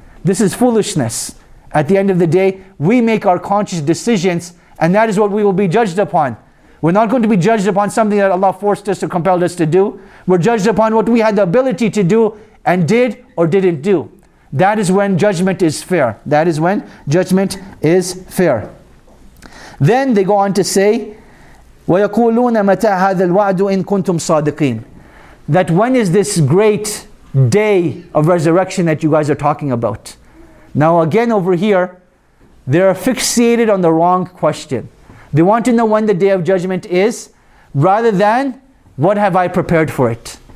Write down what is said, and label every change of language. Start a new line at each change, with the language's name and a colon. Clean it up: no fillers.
English: This is foolishness. At the end of the day, we make our conscious decisions, and that is what we will be judged upon. We're not going to be judged upon something that Allah forced us or compelled us to do. We're judged upon what we had the ability to do and did or didn't do. That is when judgment is fair. That is when judgment is fair. Then they go on to say,
Arabic: وَيَقُولُونَ مَتَى هَذَا الْوَعْدُ إِن كُنْتُمْ صَادِقِينَ.
English: That when is this great day of resurrection that you guys are talking about? Now again over here, they're fixated on the wrong question. They want to know when the day of judgment is, rather than what have I prepared for it.